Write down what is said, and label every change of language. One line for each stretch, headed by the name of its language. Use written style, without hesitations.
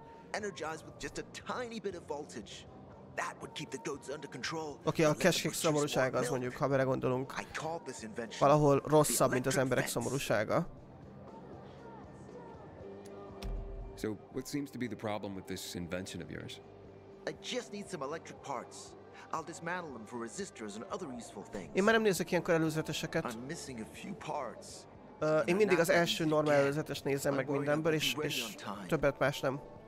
English: Energized with just a tiny bit of voltage. That would keep the goats under control.
Hungarian: Oké, a kecskék szomorúsága az mondjuk, ha bele gondolunk, valahol rosszabb, mint az emberek szomorúsága.
English: So, what seems to be the problem with this invention of yours? I just need some electric parts. I'll dismantle them for resistors and other useful things.
Hungarian: Én már nem nézek ilyenkor előzeteseket.
English: I'm missing a few parts.
Hungarian: Én mindig az első normál előzetes nézem meg mindenből, és többet más nem.